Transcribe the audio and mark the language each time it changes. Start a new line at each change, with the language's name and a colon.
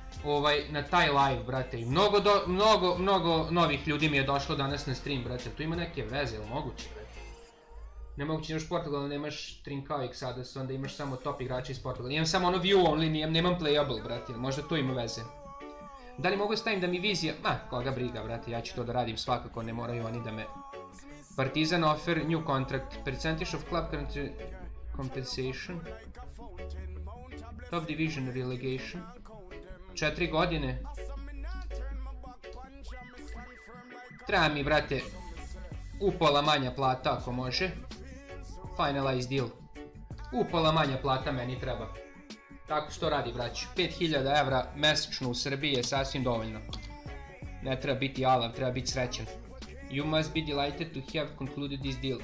Serbian: Ovaj, na taj live, brate. I mnogo novih ljudi mi je došlo danas na stream, brate. Tu ima neke veze, ili moguće, brate? Ne moguće, nemaš Portugal, nemaš Trinkaovic sada, onda imaš samo top igrača iz Portugal. Imam samo ono view only, nemam playable, brate, možda tu ima veze. Da li mogu stavim da mi vizija... Ma, koga briga, brate, ja ću to da radim svakako, ne moraju oni da me...
English: Partizan offer, new contract, percentage of club compensation. top division relegation.
Serbian: 4 godine. Treba mi, brate, upola manja plata ako može.
English: Finalize deal.
Serbian: Upola manja plata meni treba. Tako što radi, braću. 5000 evra mesečno u Srbiji je sasvim dovoljno. Ne treba biti alav, treba biti srećan.
English: You must be delighted to have concluded this deal.